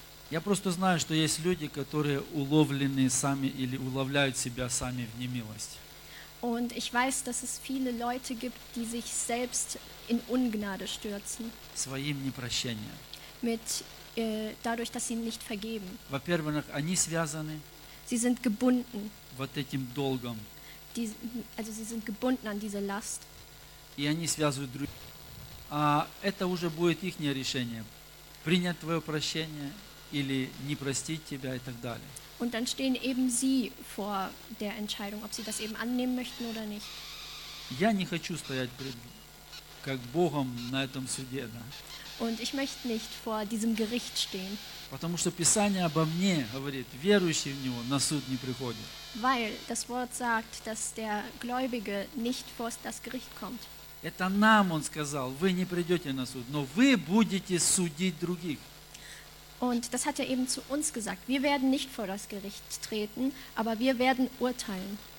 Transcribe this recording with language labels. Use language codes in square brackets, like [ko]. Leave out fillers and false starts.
[ru] Я просто знаю, что есть люди, которые уловлены сами или уловляют себя сами в немилость. [de] Und ich weiß, dass es viele Leute gibt, die sich selbst in Ungnade stürzen. [ru] Своим непрощением. [de] Mit dadurch, dass sie nicht vergeben. [ru] Во-первых, они связаны. [de] Sie sind gebunden. [ru] Вот этим долгом. [de] Also sie sind gebunden an diese Last. [ru] И они связывают друг. А это уже будет ихнее решение. Принять твое прощение. Или не простить тебя и так далее. [de] Und dann stehen eben sie vor der Entscheidung, ob sie das eben annehmen möchten oder nicht. [ru] Я не хочу стоять пред как Богом на этом суде, да. [de] Und ich möchte nicht vor diesem Gericht stehen. [ru] Потому что Писание обо мне говорит, верующий в него на суд не приходит. [de] Weil das Wort sagt, dass der Gläubige nicht vor das Gericht kommt. [ru] Это нам он сказал, вы не придете на суд, но вы будете судить других. [de] Und das hat er eben zu uns gesagt. Wir werden nicht vor das Gericht treten, aber wir werden urteilen.